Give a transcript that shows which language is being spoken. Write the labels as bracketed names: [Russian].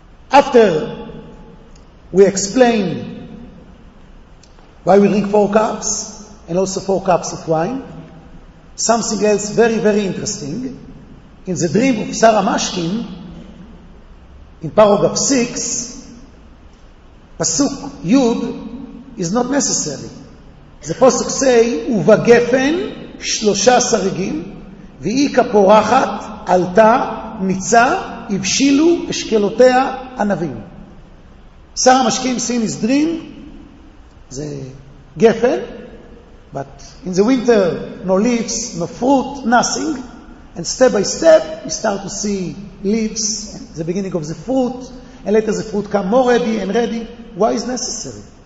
[English] After we explain why we drink four cups and also four cups of wine, something else very, very interesting. In the dream of Sarah Mashkin, in paragraph 6, Pasuk Yud is not necessary. The Pasuk say, [Hebrew] Uvagefen שלושה שריגים והיא כפורחת עלתה ניצה הבשילו אשקלותיה ענבים. [English] שר המשקים seen his dream, [Hebrew] זה גפן, [English] but in the winter no leaves, no fruit, nothing, and step by step we start to see leaves, the beginning of the fruit, and later the fruit come more ready and ready. Why is necessary?